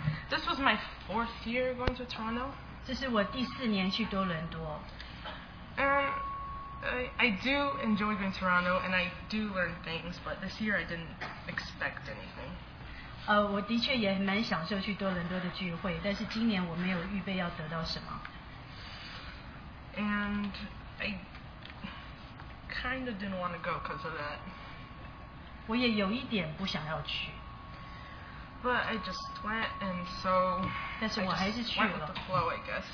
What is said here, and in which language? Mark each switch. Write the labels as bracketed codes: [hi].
[en] This was my fourth year going to Toronto. [zh] 这是我第四年去多伦多. [en] I do enjoy going to Toronto and I do learn things, but this year I didn't expect anything. [zh] 我的确也蛮享受去多伦多的聚会，但是今年我没有预备要得到什么. [en] And I kind of didn't want to go because of that. [zh] 我也有一点不想要去. [en] But I just went, and so I just went with the flow, I guess.